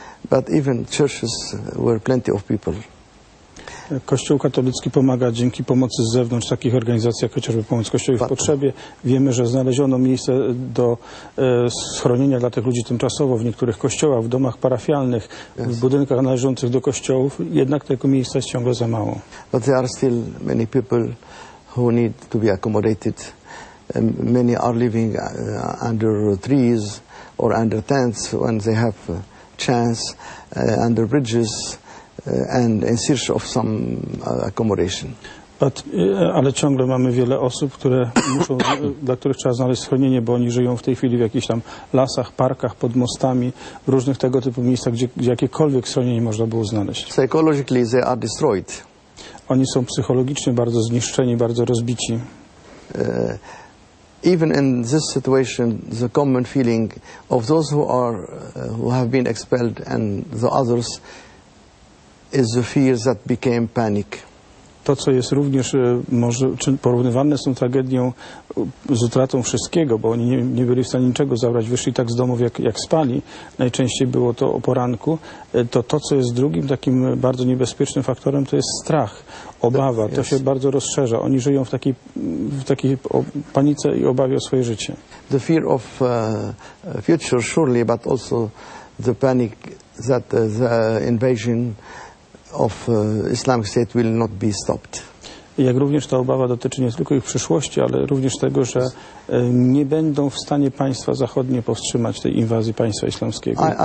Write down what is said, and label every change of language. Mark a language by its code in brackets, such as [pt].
[en] But even churches were plenty of people. [pl] Kościół katolicki pomaga dzięki pomocy z zewnątrz, takich organizacji jak chociażby Pomoc Kościołowi w Potrzebie. Wiemy, że znaleziono miejsce do schronienia dla tych ludzi tymczasowo w niektórych kościołach, w domach parafialnych, yes, w budynkach należących do kościołów. Jednak tego miejsca jest ciągle za mało. [en] But there are still many people who need to be accommodated. Many are living under trees or under tents when they have chance, under bridges, and in search of some accommodation. [pl] Ale ciągle mamy wiele osób, które muszą, dla których trzeba znaleźć schronienie, bo oni żyją w tej chwili w jakichś tam lasach, parkach, pod mostami, w różnych tego typu miejscach, gdzie jakiekolwiek schronienie można było znaleźć. [en] Psychologically they are destroyed. [pl] Oni są psychologicznie bardzo zniszczeni, bardzo rozbici. [en] Even in this situation, the common feeling of those who have been expelled and the others is the fear that became panic. [pl] To, co jest również może porównywane z tą tragedią, z utratą wszystkiego, bo oni nie byli w stanie niczego zabrać, wyszli tak z domów, jak spali. Najczęściej było to o poranku. To, co jest drugim takim bardzo niebezpiecznym faktorem, to jest strach, obawa. To się bardzo rozszerza. Oni żyją w takiej panice i obawie o swoje życie. [en] The fear of future, surely, but also the panic that the invasion of Islamic State will not be stopped. [pl] Jak również ta obawa dotyczy nie tylko ich przyszłości, ale również tego, że nie będą w stanie państwa zachodnie powstrzymać tej inwazji państwa islamskiego.